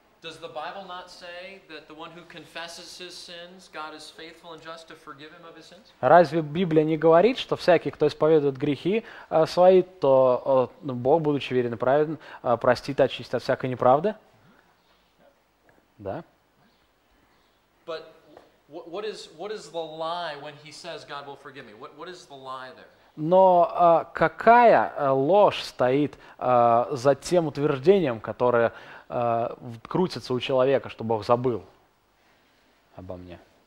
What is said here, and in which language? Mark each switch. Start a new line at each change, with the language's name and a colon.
English: Does the Bible not say that the one who confesses his sins, God is faithful and just to forgive him of his sins?
Russian: Разве Библия не говорит, что всякий, кто исповедует грехи свои, то Бог, будучи верен и праведен, простит и очистит от всякой неправды? Да.
English: But What is the lie when he says God will forgive me? What is the lie there?
Russian: Но какая ложь стоит за тем утверждением, которое крутится у человека, что Бог забыл обо мне?